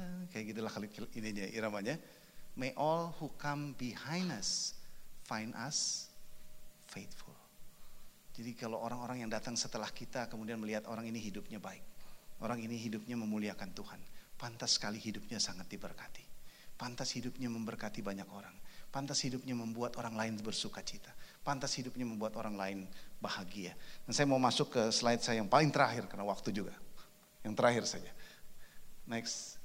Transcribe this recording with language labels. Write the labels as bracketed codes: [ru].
[id] Kayak gitulah kali ininya iramanya. [en] May all who come behind us find us faithful. [id] Jadi kalau orang-orang yang datang setelah kita kemudian melihat orang ini hidupnya baik, orang ini hidupnya memuliakan Tuhan, pantas sekali hidupnya sangat diberkati. Pantas hidupnya memberkati banyak orang. Pantas hidupnya membuat orang lain bersuka cita. Pantas hidupnya membuat orang lain bahagia. Dan saya mau masuk ke slide saya yang paling terakhir, karena waktu juga. Yang terakhir saja. Next.